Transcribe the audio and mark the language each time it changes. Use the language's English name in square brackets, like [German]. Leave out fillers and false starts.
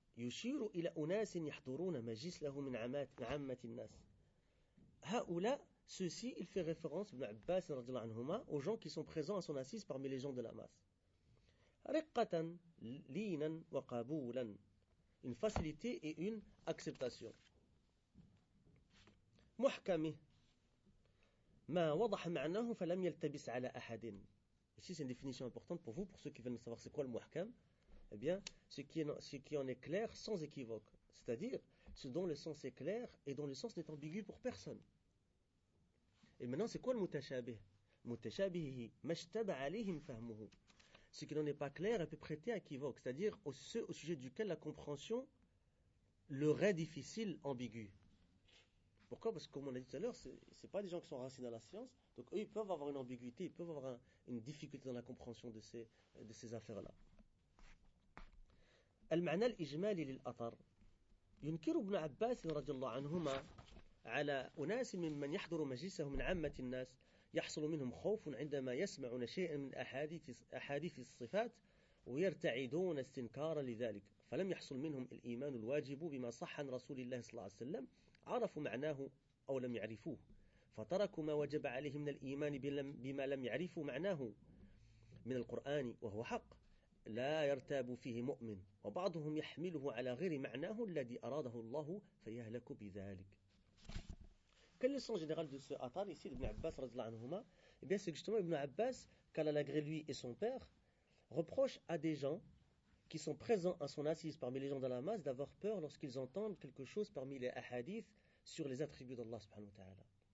[Arabic] يشير إلى أناس يحضرون مجلس له من عامة الناس. [French] هؤلاء ceux-ci, il fait référence ابن عباس [Arabic] رضي الله عنهما [French] aux gens qui sont présents à son assise parmi les gens de la masse. [Arabic] رقة لينا وقبولا. [French] Une facilité et une acceptation. [Arabic] محكم ما وضح معناه فلم يلتبس على أحد. [French] Ici c'est une définition importante pour vous, pour ceux qui veulent savoir c'est quoi le محكم. Eh bien, ce qui en est clair sans équivoque. C'est-à-dire, ce dont le sens est clair et dont le sens n'est ambigu pour personne. Et maintenant, c'est quoi le mutashabih? [Arabic] Mutashabihi, mashtaba alihim fahmuhu. [French] Ce qui n'en est pas clair, elle peut prêter à équivoque. C'est-à-dire, au sujet duquel la compréhension le rend difficile, ambigu. Pourquoi? Parce que, comme on l'a dit tout à l'heure, ce n'est pas des gens qui sont racinés dans la science. Donc, eux, ils peuvent avoir une ambiguïté, ils peuvent avoir une difficulté dans la compréhension de ces affaires-là. [Arabic] المعنى الإجمالي للأثر ينكر ابن عباس رضي الله عنهما على أناس ممن يحضر مجلسه من عامة الناس يحصل منهم خوف عندما يسمعون شيئا من أحاديث الصفات ويرتعدون استنكارا لذلك فلم يحصل منهم الإيمان الواجب بما صح عن رسول الله صلى الله عليه وسلم عرفوا معناه أو لم يعرفوه فتركوا ما وجب عليهم من الإيمان بما لم يعرفوا معناه من القرآن وهو حق لا يرتاب فيه مؤمن وبعضهم يحمله على غير معناه الذي أراده الله فيهلك بذلك. [French] Quel est le sens général de ce atar ici d'Ibn Abbas [Arabic] رضي الله عنهما? [French] Eh bien, c'est justement Ibn Abbas, qu'Allah l'agrée lui et son père, reproche à des gens qui sont présents à son assise parmi les gens de la masse d'avoir peur lorsqu'ils entendent quelque chose parmi les hadiths sur les attributs d'Allah [Arabic] سبحانه وتعالى.